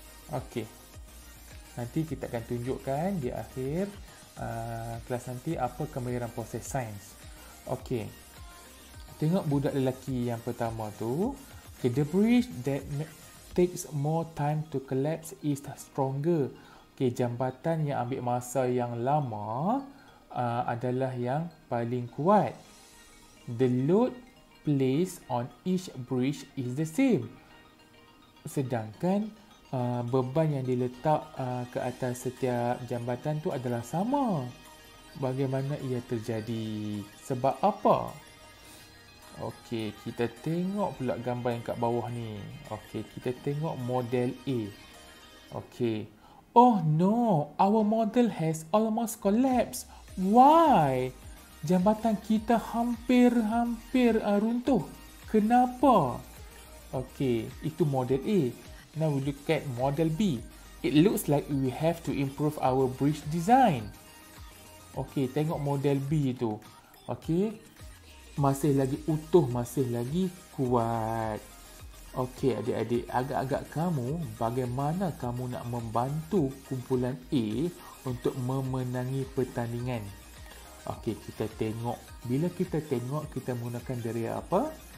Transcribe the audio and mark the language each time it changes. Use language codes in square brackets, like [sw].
[ms] Okey. Nanti kita akan tunjukkan di akhir kelas nanti apa kemahiran proses sains. Okey. Tengok budak lelaki yang pertama tu. [en] Okay, the bridge that takes more time to collapse is stronger. [ms] Okay, jambatan yang ambil masa yang lama adalah yang paling kuat. [en] The load placed on each bridge is the same. [ms] Sedangkan beban yang diletak ke atas setiap jambatan tu adalah sama. Bagaimana ia terjadi? Sebab apa? Okey, kita tengok pula gambar yang kat bawah ni. Okey, kita tengok model A. Okey. [en] Oh no, our model has almost collapsed. Why? [ms] Jambatan kita hampir-hampir runtuh. Kenapa? Okey, itu model A. [en] Now we look at model B. It looks like we have to improve our bridge design. [ms] Okey, tengok model B tu. Okey. Masih lagi utuh, masih lagi kuat. Okey, adik-adik, agak-agak kamu, bagaimana kamu nak membantu kumpulan A untuk memenangi pertandingan? Okey, kita tengok. Bila kita tengok, kita menggunakan deria apa?